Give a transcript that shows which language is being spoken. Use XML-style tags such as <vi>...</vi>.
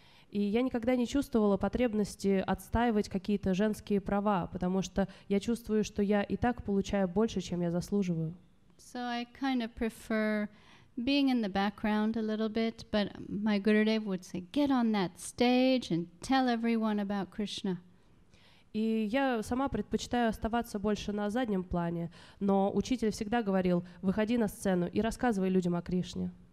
<ru>И я никогда не чувствовала потребности отстаивать какие-то женские права, потому что я чувствую, что я и так получаю больше, чем я заслуживаю.</ru> <en>So I kind of prefer being in the background a little bit, but my Gurudev would say, get on that stage and tell everyone about Krishna.</en> <ru>И я сама предпочитаю оставаться больше на заднем плане, но учитель всегда говорил, выходи на сцену и рассказывай людям о Кришне.</ru>